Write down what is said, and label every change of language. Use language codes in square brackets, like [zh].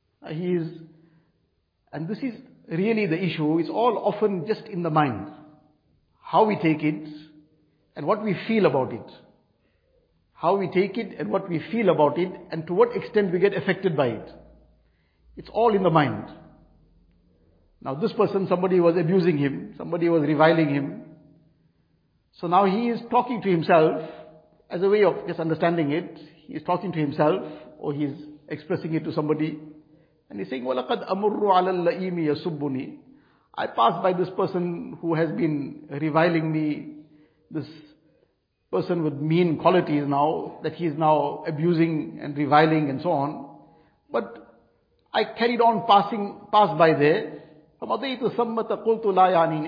[en] He is, and this is really the issue, it's all often just in the mind, how we take it and what we feel about it, how we take it and what we feel about it, and to what extent we get affected by it. It's all in the mind. Now this person, somebody was abusing him, somebody was reviling him. So now he is talking to himself as a way of just understanding it. He is talking to himself, or he is expressing it to somebody. And he's saying, [ar] وَلَقَدْ أَمُرُّ عَلَى اللَّئِيمِ يَسُبُّنِي. [en] I passed by this person who has been reviling me, this person with mean qualities now, that he is now abusing and reviling and so on. But I carried on passed by there. [ar] فَمَضَيْتُ ثَمَّةَ قُلْتُ لَا يَعْنِينِ.